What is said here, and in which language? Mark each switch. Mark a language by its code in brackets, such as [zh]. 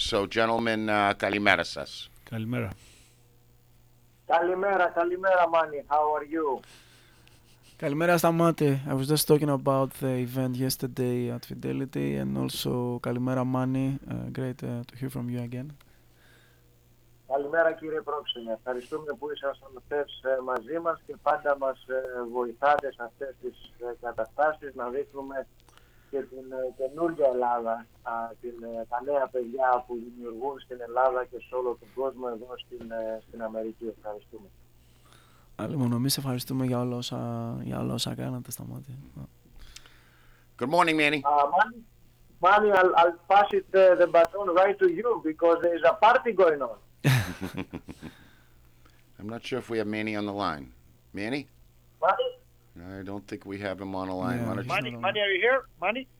[en] So, gentlemen, [el] Kalimera sas. Kalimera. Kalimera, Kalimera, [en] Manny. How are you? [el] Kalimera, Stamati. [en] I was just talking about the event yesterday at Fidelity, and also Kalimera, Manny. Great to hear from you again. [el] Καλημέρα κύριε Πρόξενε. Ευχαριστούμε που ήσασταν χθες μαζί μας και πάντα μας βοηθάτε σε αυτές τις καταστάσεις να δείχνουμε και την καινούργια Ελλάδα, τα νέα παιδιά που δημιουργούν στην Ελλάδα και σε όλο τον κόσμο εδώ στην Αμερική. Ευχαριστούμε. Αλλημόνο, εμείς ευχαριστούμε για όλα όσα, για όλα όσα κάνατε στα μάτια. [en] Good morning, Manny. Manny, I'll pass it the baton right to you because there is a party going on. I'm not sure if we have Manny on the line. Manny? Manny? I don't think we have him on the line. Yeah, Manny, are you here? Manny?